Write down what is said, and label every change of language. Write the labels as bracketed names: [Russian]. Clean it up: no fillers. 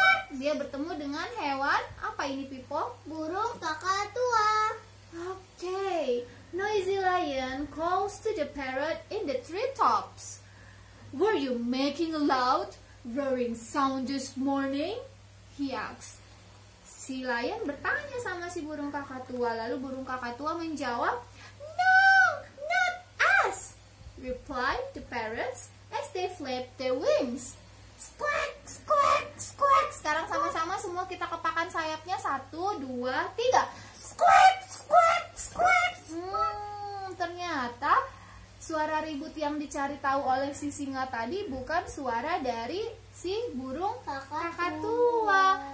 [Indonesian] Dia bertemu dengan hewan, apa ini Pipo? Burung kakak tua. [English] Okay. Noisy lion calls to the parrot in the treetops. Were you making a loud roaring sound this morning? He asks. [Indonesian] Si lion bertanya sama si burung kakak tua. Lalu burung kakak tua menjawab, [English] No, not us, replied the parrots as they flapped their wings. Squawk, squawk, squawk. [Indonesian] Sekarang sama-sama semua kita kepakan sayapnya. Satu, dua, tiga. [English] Squawk, squawk, squawk. [Indonesian] Ternyata suara ribut yang dicari tahu oleh si singa tadi bukan suara dari si burung kakak tua.